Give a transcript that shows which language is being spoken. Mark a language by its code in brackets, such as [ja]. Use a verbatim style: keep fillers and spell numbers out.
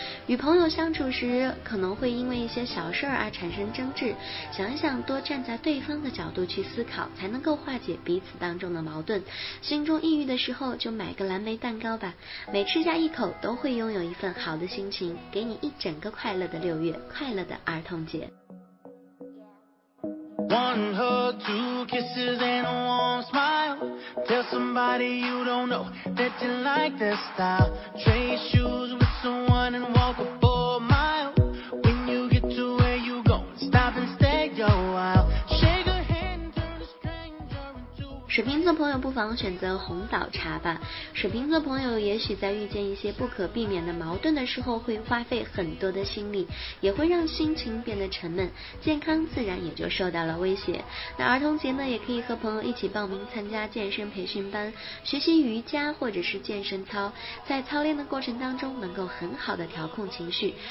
[zh] 与朋友相处时，可能会因为一些小事而产生争执，想一想，多站在对方的角度去思考，才能够化解彼此当中的矛盾。心中抑郁的时候，就买个蓝莓蛋糕吧，每吃下一口都会拥有一份好的心情，给你一整个快乐的六月，快乐的儿童节。 [en] One hug, two kisses and a warm smile. Tell somebody you don't know that you like their style. Trade shoes with someone and walk a full mile. When you get to where you go, stop and stay a while. Shake a hand, turn a stranger into a... [zh] 水瓶座朋友不妨选择红枣茶吧。水瓶座朋友也许在遇见一些不可避免的矛盾的时候，会花费很多的心力，也会让心情变得沉闷，健康自然也就受到了威胁。那儿童节呢，也可以和朋友一起报名参加健身培训班，学习瑜伽或者是健身操，在操练的过程当中能够很好的调控情绪。